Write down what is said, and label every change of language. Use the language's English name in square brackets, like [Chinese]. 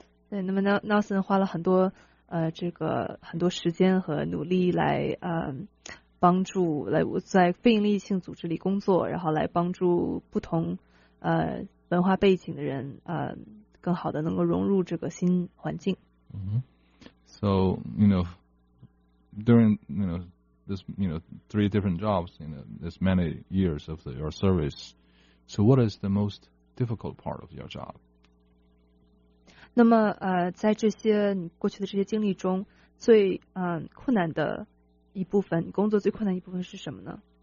[Chinese] 对，那么 Nelson 花了很多这个很多时间和努力来帮助来在非营利性组织里工作，然后来帮助不同文化背景的人更好的能够融入这个新环境。 [English] So you know, during you know this you know three different jobs, you know this many years of your service. So what is the most difficult part of your job? [Chinese] 那么在这些你过去的这些经历中，最困难的一部分，工作最困难的一部分是什么呢？